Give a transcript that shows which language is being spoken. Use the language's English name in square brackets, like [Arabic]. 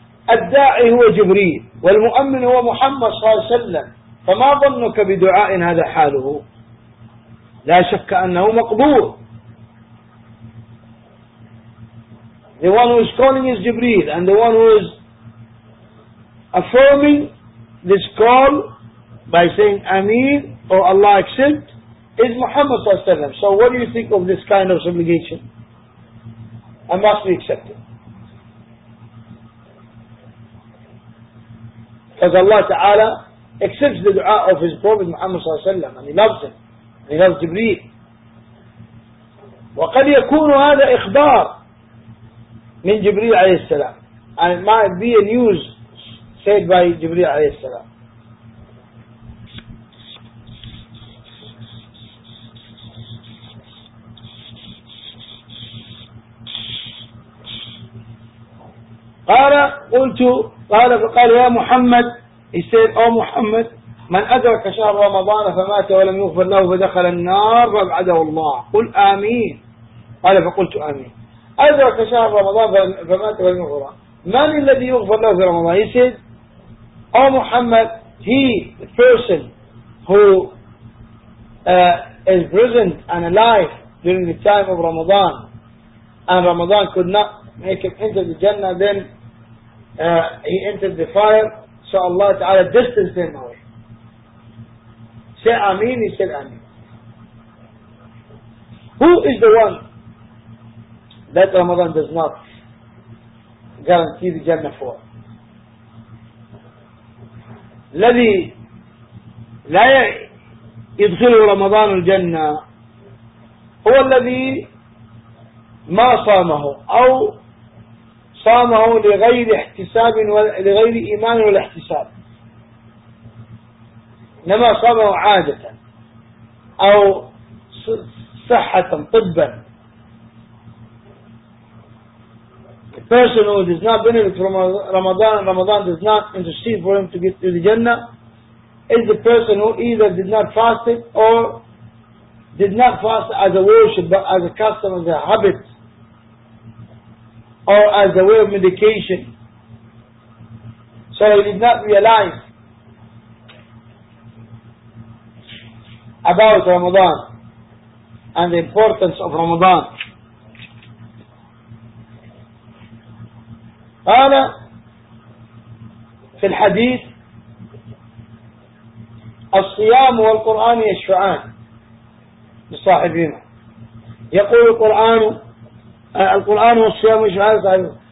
[Arabic] الداعي هو جبريل والمؤمن هو محمد صلى الله عليه وسلم، فما ظنك بدعاء هذا حاله؟ لا شك أنه مقبول. [English] The one who is calling is جبريل and the one who is affirming this call by saying آمين or Allah accept is Muhammad صلى الله عليه وسلم. So what do you think of this kind of obligation? I must be accepted. Because Allah Ta'ala accepts the dua of his Prophet Muhammad صلى الله عليه وسلم and he loves him. And he loves Jibreel. [Arabic] وقد يكون هذا إخبار من جبريل عليه السلام. [English] And it might be a news said by جبريل عليه السلام. [Arabic] قال قلت قال فقال يا محمد يسير او محمد من ادرك شهر رمضان فمات ولم يغفر له فدخل النار فابعده الله. قل امين. قال فقلت امين. ادرك شهر رمضان فمات ولم يغفر له، من الذي يغفر له في رمضان؟ يسير او محمد [English] he the person who is present and alive during the time of Ramadan and Ramadan could not make him enter the Jannah, then he entered the fire, so Allah Ta'ala distanced him away. Say Ameen, he said Ameen. Who is the one that Ramadan does not guarantee the Jannah for? [Arabic] الذي لا يدخله رمضان الجنة هو الذي ما صامه أو صامه لغير احتساب لغير إيمان ولا احتساب، إنما صامه عادة أو صحة طبا. [English] The person who does not benefit from Ramadan, Ramadan does not intercede for him to get to the Jannah, is the person who either did not fast it or did not fast as a worship but as a custom, as a habit, or as a way of medication. So he did not realize about Ramadan and the importance of Ramadan. [Arabic] قال في الحديث الصيام والقرآن يشفعان لصاحبهما. يقول القرآن والصيام يشفعان لصاحبهما.